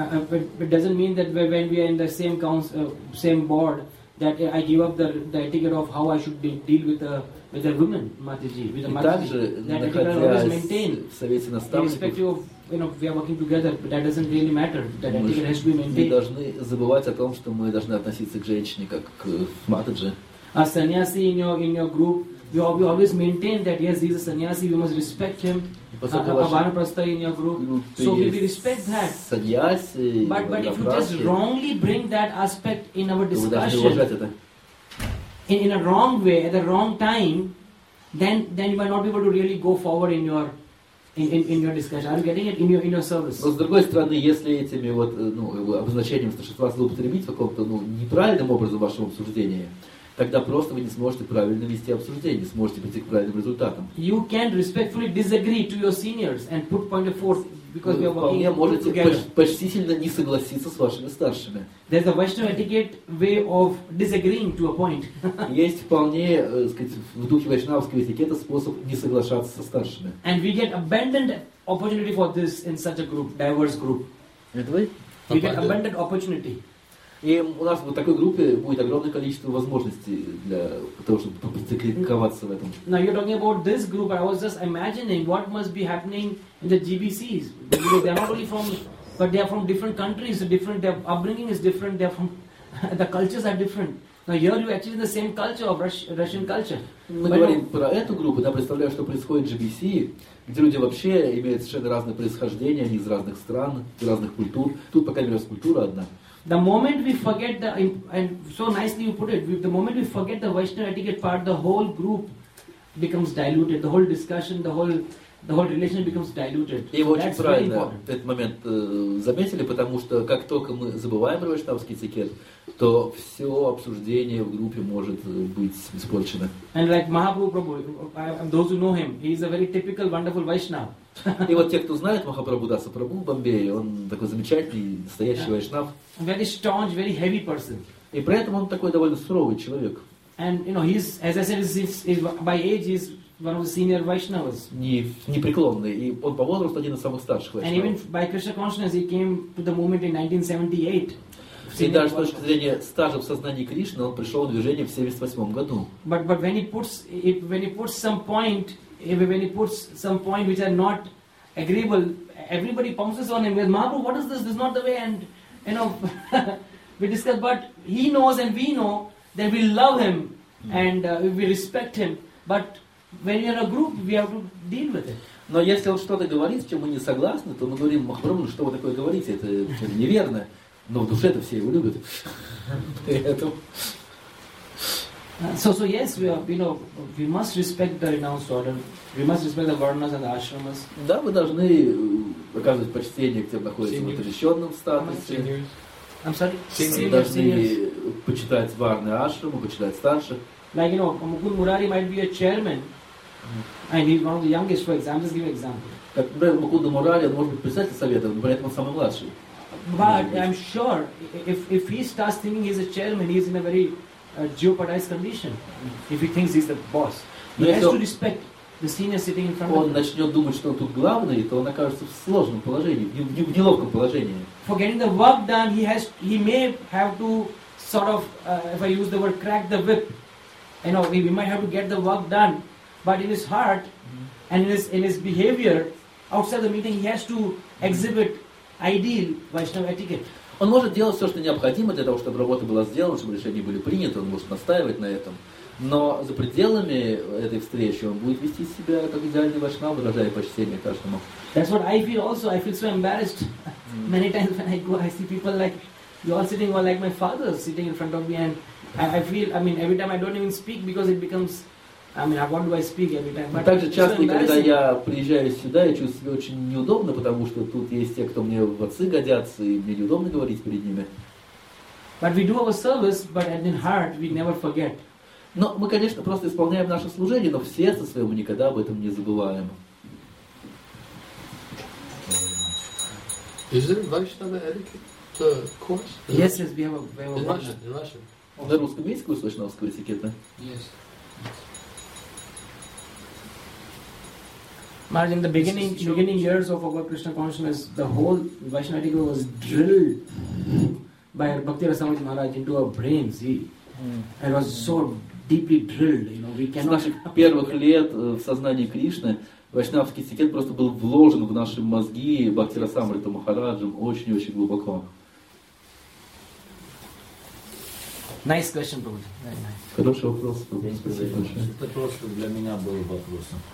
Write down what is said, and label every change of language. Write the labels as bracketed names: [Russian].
[English] But it doesn't mean that when we are in the same same board, that I give up the etiquette of how I should deal with a woman, Mataji, with a Mataji. That etiquette always maintained, irrespective of we are working together, but that doesn't really matter. That etiquette has to be maintained. [Russian] Мы должны забывать о том, что мы должны относиться к женщине как к Матаджи. [English] A sannyasi in your group we always maintain that yes, he's a sannyasi, we must respect him. Abhanaprastha in your group. So we respect that. Sannyasi. But if you just wrongly bring that aspect in our discussion in a wrong way, at the wrong time, then you might not be able to really go forward in your in your discussion. You can respectfully disagree to your seniors and put point of force because we are working together. There's a Vaishnava etiquette way of disagreeing to a point. [Russian] Есть вполне, в духе вайшнавского этикета способ не соглашаться со старшими. [English] And we get abandoned opportunity for this in such a group, diverse group. [Russian] Этого? [English] We get abandoned opportunity. [Russian] И у нас вот такой группе будет огромное количество возможностей для того, чтобы попрактиковаться в этом. [English] Now you're talking about this group, but I was just imagining what must be happening in the GBCs. Because they're not only from, but they are from different countries, different, their upbringing is different, they're from, the cultures are different. Now here you're actually in the same culture of Russian culture. [Russian] Мы говорим про эту группу, да, представляю, что происходит в GBC, где люди вообще имеют совершенно разное происхождение, они из разных стран, разных культур. Тут, по крайней мере, культура одна. [English] The moment we forget the, and so nicely you put it, the moment we forget the Vaishnava etiquette part, the whole group becomes diluted, the whole discussion, the whole relationship becomes diluted. [Russian] И вы очень правильно этот момент заметили, потому что как только мы забываем про вайшнавский этикет, то все обсуждение в группе может быть испорчено. [English] And like Mahaprabhu, those who know him, he is a very typical, wonderful Vaishnav. [Russian] И вот те, кто знает Махапрабху Даса Прабху в Бомбее, он такой замечательный, настоящий вайшнав. [English] Very staunch, very heavy person. [Russian] И при этом он такой довольно суровый человек. [English] And you know, he's, as I said, he's by age he's one of the senior Vaishnavas. [Russian] Непреклонный, и он по возрасту один из самых старших вайшнавов. [English] And even by Krishna consciousness he came to the movement in 1978. [Russian] И даже с точки зрения стажа в сознании Кришны он пришел в движение в 78 году. [English] But when he puts some point. When he puts some point which are not agreeable, everybody pounces on him. Mahaprabhu, what is this? This is not the way. And you know, we discuss. But he knows, and we know that we love him and we respect him. But when you are a group, we have to deal with it. [Russian] Но если он что-то говорит, с чем мы не согласны, то мы говорим: Махапрабху, что вы такое говорите? Это неверно. Но в душе это все его любят. [English] So yes, we are, you know, we must respect the renounced order. We must respect the varnas and the ashramas. [Russian] Да, мы должны оказывать почтение к тем, находящимся в отрешенном статусе. [English] I'm sorry. [Russian] Мы должны почитать варны ашрамы, почитать старших. [English] Like, you know, Mukund Murari might be a chairman, and he's one of the youngest. For example, just give an example. [Russian] Как Mukund Murari, он может быть председатель совета, но при этом он самый младший. [English] But I'm sure if he starts thinking he's a chairman, he's in a very jeopardized condition if he thinks he's the boss. He has to respect the senior sitting in front of him. [Russian] Он начнет думать, что он тут главный, то он окажется в сложном положении, в неловком положении. [English] For getting the work done, he may have to sort of, if I use the word, crack the whip. You know, we might have to get the work done, but in his heart and in his behavior outside the meeting, he has to exhibit ideal Vaishnava etiquette. [Russian] Он может делать все, что необходимо для того, чтобы работа была сделана, чтобы решения были приняты, он может настаивать на этом. Но за пределами этой встречи он будет вести себя как идеальный вайшнав, выражая почтение каждому. [English] That's what I feel also. I feel so embarrassed many times when I go, I see people like, you all sitting well, like my father sitting in front of me, and I feel, I mean, every time I don't even speak because it becomes, I mean, what do I speak every time? But [Russian] также часто, когда я приезжаю сюда, я чувствую себя очень неудобно, потому что тут есть те, кто мне в отцы годятся, и мне неудобно говорить перед ними. [English] But we do our service, but in heart we never forget. [Russian] Но мы, конечно, просто исполняем наше служение, но в сердце своем мы никогда об этом не забываем. [English] Is there Vaishnava etiquette course? Yes, yes, we have a Vaishnava. [Russian] На русском есть курс вайшнавского этикета? [English] Yes. Maharaj, in the beginning years of our Krishna consciousness, the whole Vaishnava etiquette was drilled by Bhakti Rasamaji Maharaj into our brains. It was so deeply drilled, you know, we cannot. [Russian] С наших первых лет в сознании Кришны вайшнавский этикет просто был вложен в наши мозги Бхакти Расамриту Махараджем очень-очень глубоко. [English] Nice question, Prabhupada. Very nice. [Russian] Хороший вопрос. Это просто для меня был вопрос.